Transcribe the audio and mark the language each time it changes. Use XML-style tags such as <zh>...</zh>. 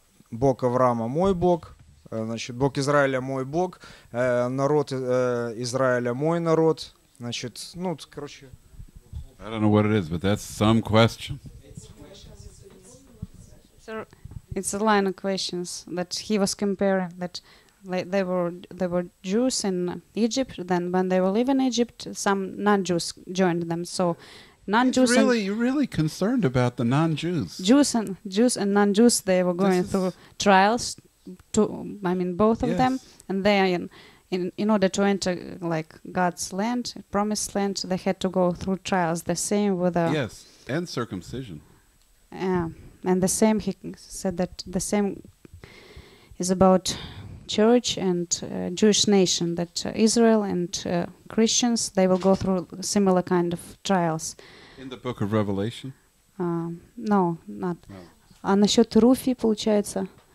<ru>Бог Авраама мой Бог, значит, Бог Израиля мой Бог, народ Израиля мой народ, значит, ну, короче.</ru> <en>I don't know what it is, but that's some question. It's a line of questions that he was comparing, that they were Jews in Egypt, then when they were leaving Egypt, some non-Jews joined them. So non-Jews, really, you're really concerned about the non-Jews. Jews and non-Jews, they were going through trials, both of them, and they are in order to enter, like, God's land, promised land, they had to go through trials. The same with the... Yes, and circumcision. Yeah. And the same, he said that the same is about church and Jewish nation, that Israel and Christians, they will go through similar kind of trials. In the book of Revelation? No, not. No.</en> <ru>А насчет Руфи, получается?</ru>